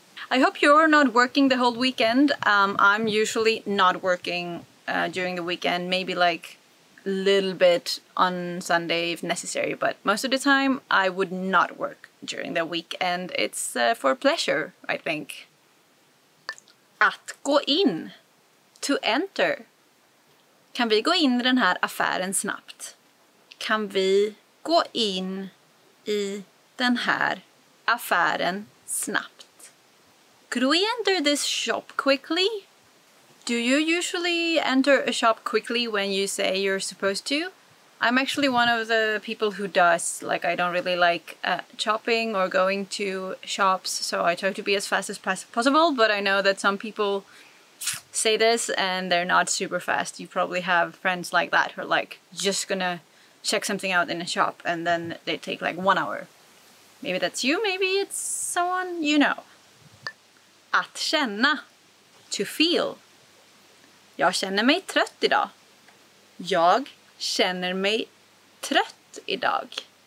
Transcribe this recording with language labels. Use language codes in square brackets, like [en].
[en] I hope you're not working the whole weekend. I'm usually not working during the weekend. Maybe like little bit on Sunday if necessary, but most of the time I would not work during the week, and it's for pleasure, I think. [sv] Att gå in. [en] To enter. [sv] Kan vi gå in i den här affären snabbt? Kan vi gå in i den här affären snabbt? [en] Could we enter this shop quickly? Do you usually enter a shop quickly when you say you're supposed to? I'm actually one of the people who does. Like, I don't really like shopping or going to shops, so I try to be as fast as possible, but I know that some people say this and they're not super fast. You probably have friends like that who are like, just gonna check something out in a shop, and then they take like 1 hour. Maybe that's you, maybe it's someone you know. [sv] Att känna. [en] To feel. [sv] Jag känner mig trött idag. Jag känner mig trött idag.